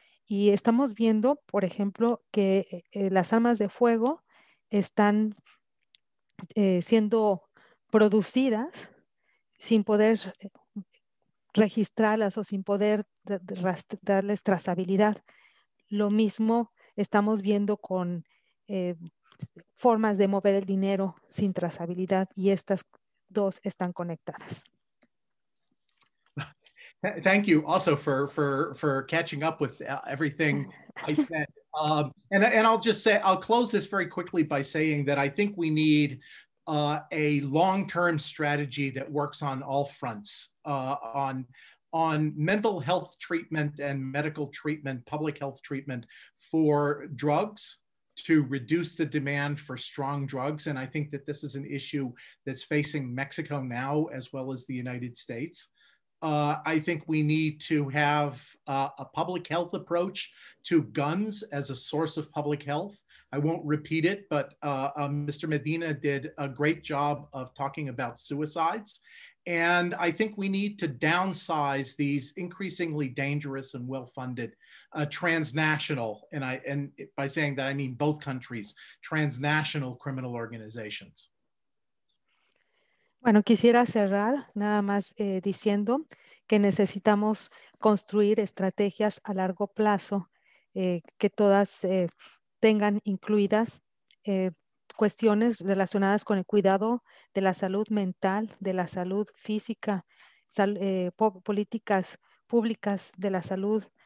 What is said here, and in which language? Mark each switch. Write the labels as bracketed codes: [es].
[es] Y estamos viendo, por ejemplo, que las armas de fuego están siendo producidas sin poder registrarlas o sin poder darles trazabilidad. Lo mismo estamos viendo con formas de mover el dinero sin trazabilidad y estas dos están conectadas. [en] Thank you also for catching up with everything I said. And I'll just say, I'll close this very quickly by saying that I think we need a long-term strategy that works on all fronts, on mental health treatment and medical treatment, public health treatment for drugs, to reduce the demand for strong drugs. And I think that this is an issue that's facing Mexico now, as well as the United States. I think we need to have a public health approach to guns as a source of public health. I won't repeat it, but Mr. Medina did a great job of talking about suicides. And I think we need to downsize these increasingly dangerous and well-funded transnational, and by saying that I mean both countries, transnational criminal organizations. [es] Bueno, quisiera cerrar nada más diciendo que necesitamos construir estrategias a largo plazo que todas tengan incluidas cuestiones relacionadas con el cuidado de la salud mental, de la salud física, políticas públicas de la salud,